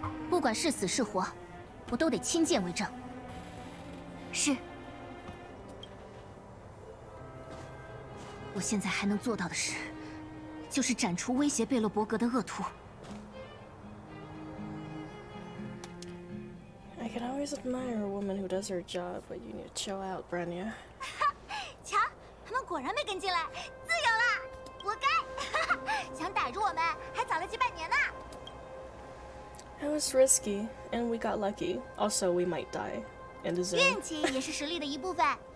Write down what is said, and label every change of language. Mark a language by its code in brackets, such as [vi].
[zh] 不管是死是活，我都得亲见为证。是，我现在还能做到的事，就是斩除威胁贝洛伯格的恶徒。 [en] I can always admire a woman who does her job, but you need to chill out, Brenya. [zh] 瞧，他们果然没跟进来，自由了，活该！想逮住我们，还早了几百年呢。 [en] It was risky, and we got lucky. Also, we might die. And so. [zh] 运气也是实力的一部分。